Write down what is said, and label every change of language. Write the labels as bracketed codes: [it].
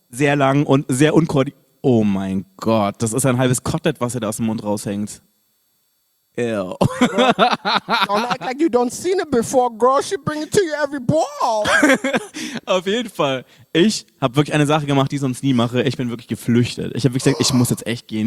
[de] Sehr lang und sehr unkoordiniert. Oh mein Gott, das ist ein halbes Kotelett, was er da aus dem Mund raushängt. Ew. [en] Don't act like you don't seen it before, girl. She bring it to you every ball. [de] Auf jeden Fall. Ich habe wirklich eine Sache gemacht, die ich sonst nie mache. Ich bin wirklich geflüchtet. Ich habe wirklich gesagt, ich muss jetzt echt gehen.